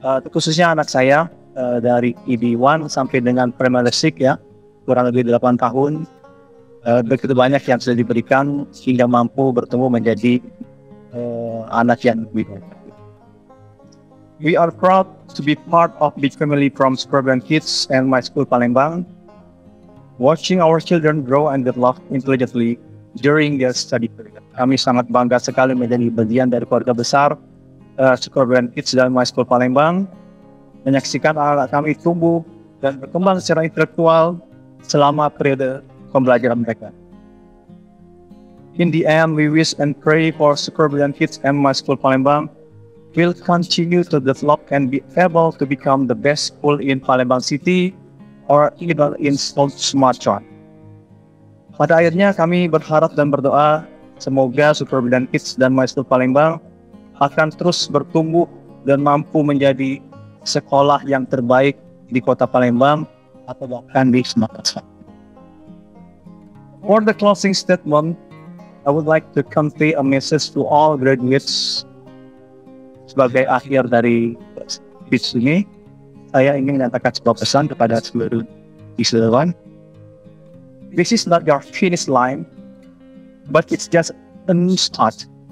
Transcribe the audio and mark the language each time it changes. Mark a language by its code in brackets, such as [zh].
[id] Khususnya anak saya dari EB1 sampai dengan Primary Lesik ya, kurang lebih 8 tahun, begitu banyak yang sudah diberikan sehingga mampu bertemu menjadi anak yang lebih baik. [en] We are proud to be part of Big Family from Suburban Kids and My School Palembang, watching our children grow and develop intelligently during their study period. [id] Kami sangat bangga sekali menjadi bagian dari keluarga besar Suburban Kids dan My School Palembang, menyaksikan anak kami tumbuh dan berkembang secara intelektual selama periode pembelajaran mereka. [en] In the end, we wish and pray for Suburban Kids and My School Palembang will continue to develop and be able to become the best school in Palembang City or even in Sumatra. [id] Pada akhirnya kami berharap dan berdoa semoga Suburban Kids dan My School Palembang akan terus bertumbuh dan mampu menjadi sekolah yang terbaik di kota Palembang atau bahkan di Sumatra. [en] For the closing statement, I would like to convey a message to all graduates. [id] Sebagai akhir dari speech ini, saya ingin menyatakan sebuah pesan kepada seluruh wisudawan. [en] This is not your finish line, but it's just a new start.